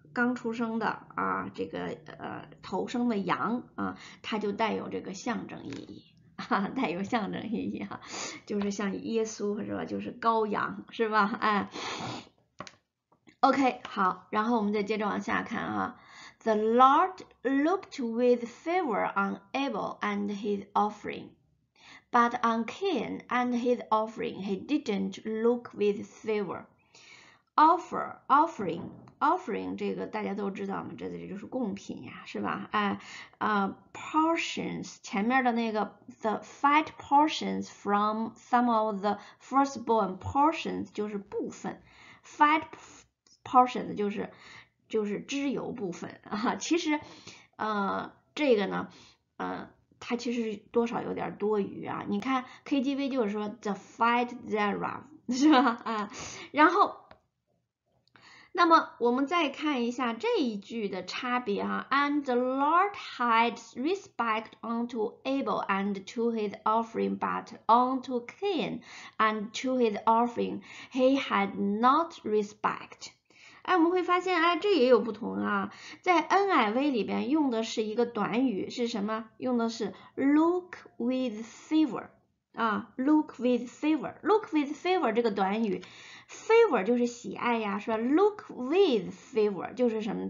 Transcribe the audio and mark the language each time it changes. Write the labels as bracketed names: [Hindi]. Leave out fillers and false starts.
[Chinese] 刚出生的啊，这个头生的羊啊，它就带有这个象征意义，啊，带有象征意义哈，啊，就是像耶稣是吧，就是羔羊是吧？哎，OK，好，然后我们再接着往下看啊。 [English] The Lord looked with favor on Abel and his offering. But on Cain and his offering, he didn't look with favor. [Chinese] Offering 这个大家都知道嘛，这里就是贡品呀，是吧？ [English] portions [Chinese] 前面的那个 [English] the five portions from some of the firstborn portions [Chinese] 就是部分 [English] ，five portions [Chinese] 就是脂油部分啊。其实，这个呢，它其实多少有点多余啊。你看 KJV 就是说 [English] the five zera [Chinese] 是吧？啊，然后。那么我们再看一下这一句的差别哈 [English] ，And the Lord had respect unto Abel and to his offering, but unto Cain and to his offering he had not respect。 [Chinese] 哎，我们会发现，哎，这也有不同啊。在 NIV 里边用的是一个短语，是什么？用的是 [English] look with favor 啊 ，look with favor，look with favor [Chinese] 这个短语。 Favor 就是喜爱呀，是吧 ？ [English] Look with favor [Chinese] 就是什么？